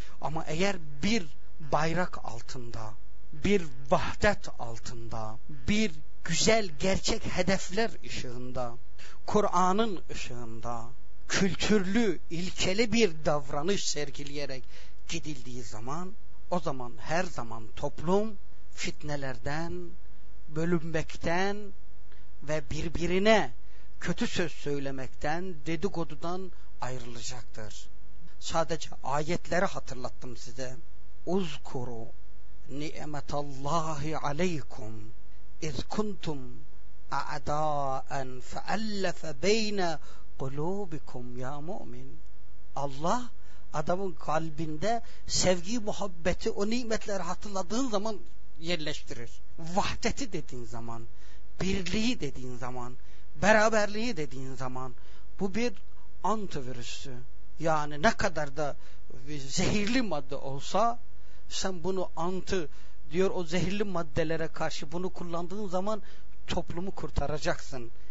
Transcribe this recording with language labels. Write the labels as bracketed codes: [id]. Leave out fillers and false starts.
[tr] Ama eğer bir bayrak altında, bir vahdet altında, bir güzel gerçek hedefler ışığında, Kur'an'ın ışığında kültürlü, ilkeli bir davranış sergileyerek gidildiği zaman, o zaman her zaman toplum fitnelerden, bölünmekten ve birbirine kötü söz söylemekten, dedikodudan ayrılacaktır. Sadece ayetleri hatırlattım size. [ar] Uzkuru ni'metallahi aleykum اِذْ كُنْتُمْ اَعْدَاءً فَأَلَّفَ بَيْنَ قُلُوبِكُمْ يَا مُؤْمِنْ. [tr] Allah adamın kalbinde sevgi, muhabbeti, o nimetleri hatırladığın zaman yerleştirir. Vahdeti dediğin zaman, birliği dediğin zaman, beraberliği dediğin zaman, bu bir antivirüsü. Yani ne kadar da zehirli madde olsa, sen bunu antı diyor, o zehirli maddelere karşı bunu kullandığın zaman toplumu kurtaracaksın.